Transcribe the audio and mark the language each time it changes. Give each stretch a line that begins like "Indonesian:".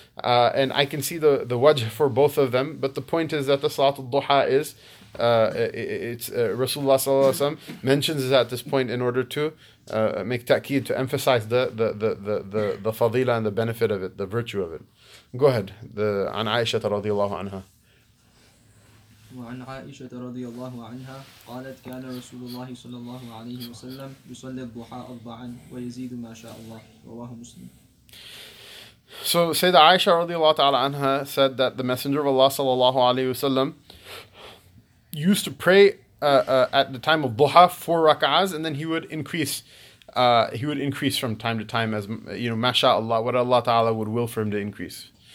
English: And I can see the wajh for both of them. But the point is that the salat al-duha is, it's Rasulullah sallallahu alaihi wasallam mentions it at this point in order to make ta'keed, to emphasize the fadila and the benefit of it, the virtue of it. Go ahead. An Aisha radiallahu anha.
Arabic: وعن عائشة رضي الله عنها قالت كان رسول الله صلى الله عليه وسلم يصلي الضحى أربعا ويزيد ما شاء الله رواه مسلم.
English: So Sayyidah Aisha radiallahu ta'ala anha said that the Messenger of Allah sallallahu alayhi wasallam used to pray at the time of duha four rak'ahs, and then he would increase from time to time, as you know, mashallah, what Allah ta'ala would will for him to increase.